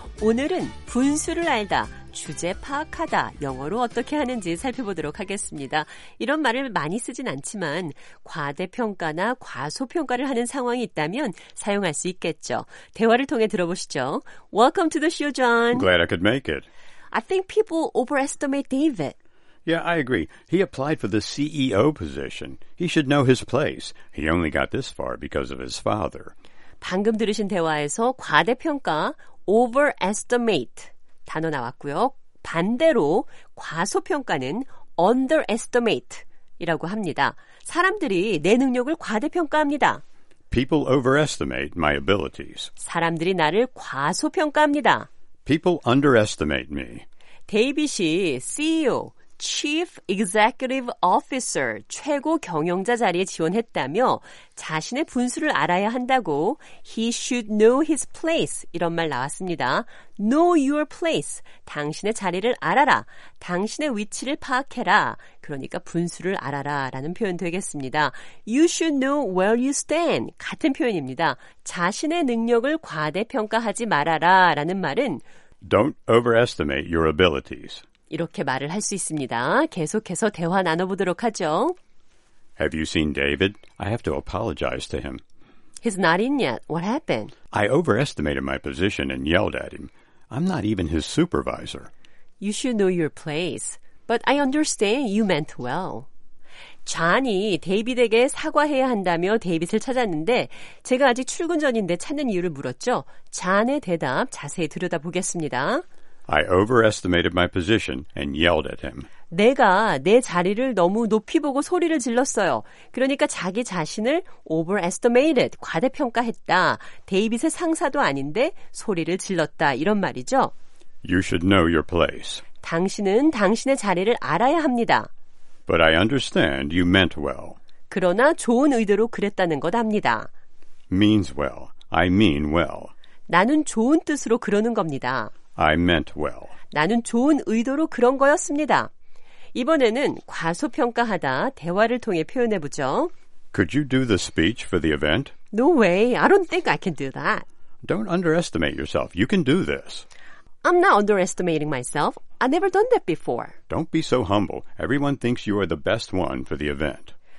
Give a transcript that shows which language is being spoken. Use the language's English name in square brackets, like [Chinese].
[Korean] 오늘은 분수를 알다, 주제 파악하다, 영어로 어떻게 하는지 살펴보도록 하겠습니다. 이런 말을 많이 쓰진 않지만 과대평가나 과소평가를 하는 상황이 있다면 사용할 수 있겠죠. 대화를 통해 들어보시죠. [English] Welcome to the show, John. Glad I could make it. I think people overestimate David. Yeah, I agree. He applied for the CEO position. He should know his place. He only got this far because of his father. [Korean] 방금 들으신 대화에서 과대평가, overestimate 단어 나왔고요. 반대로 과소평가는 underestimate 이라고 합니다. 사람들이 내 능력을 과대평가합니다. [English] People overestimate my abilities. [Korean] 사람들이 나를 과소평가합니다. [English] People underestimate me. [Korean] 데이빗이 CEO, Chief Executive Officer, 최고 경영자 자리에 지원했다며 자신의 분수를 알아야 한다고 [English] He should know his place, [Korean] 이런 말 나왔습니다. [English] Know your place, [Korean] 당신의 자리를 알아라, 당신의 위치를 파악해라, 그러니까 분수를 알아라 라는 표현 되겠습니다. [English] You should know where you stand, [Korean] 같은 표현입니다. 자신의 능력을 과대평가하지 말아라 라는 말은 [English] Don't overestimate your abilities. [Korean] 이렇게 말을 할 수 있습니다. 계속해서 대화 나눠보도록 하죠. [English] Have you seen David? I have to apologize to him. He's not in yet. What happened? I overestimated my position and yelled at him. I'm not even his supervisor. You should know your place. But I understand you meant well. [Korean] 존이 데이빗에게 사과해야 한다며 데이빗을 찾았는데 제가 아직 출근 전인데 찾는 이유를 물었죠. 존의 대답 자세히 들여다보겠습니다. [English] I overestimated my position and yelled at him. [Korean] 내가 내 자리를 너무 높이 보고 소리를 질렀어요. 그러니까 자기 자신을 overestimated, 과대평가했다. 데이빗의 상사도 아닌데 소리를 질렀다. 이런 말이죠. [English] You should know your place. [Korean] 당신은 당신의 자리를 알아야 합니다. [English] But I understand you meant well. [Korean] 그러나 좋은 의도로 그랬다는 것 압니다. [English] Means well. I mean well. [Korean] 나는 좋은 뜻으로 그러는 겁니다. [English] I meant well. [Korean] 나는 좋은 의도로 그런 거였습니다. 이번에는 과소평가하다 대화를 통해 표현해 보죠. [English] Could you do the speech for the event? No way. I don't think I can do that. Don't underestimate yourself. You can do this. I'm not underestimating myself. I've never done that before. Don't be so humble. Everyone thinks you are the best one for the event.